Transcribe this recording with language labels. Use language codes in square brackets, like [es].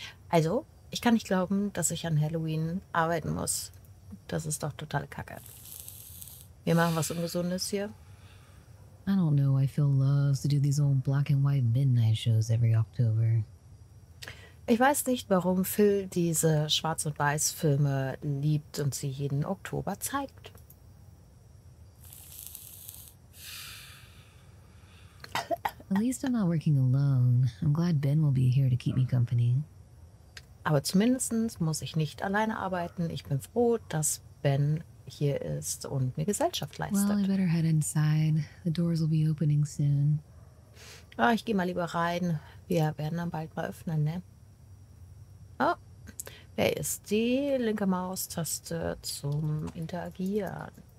[de] Also, ich kann nicht glauben, dass ich an Halloween arbeiten muss. Das ist doch total kacke. Wir machen was Ungesundes hier. [en] I don't know why Phil loves to do these old black and white midnight shows every October. [de] Ich weiß nicht, warum Phil diese Schwarz- und Weiß-Filme liebt und sie jeden Oktober zeigt. [en] At least I'm not working alone. I'm glad Ben will be here to keep me company. [de] Aber zumindestens muss ich nicht alleine arbeiten. Ich bin froh, dass Ben hier ist und mir Gesellschaft leistet. [en] Well, I better head inside. The doors will be opening soon. [de] Oh, ich gehe mal lieber rein. Wir werden dann bald mal öffnen, ne? Oh, wer ist die linke Maustaste zum Interagieren?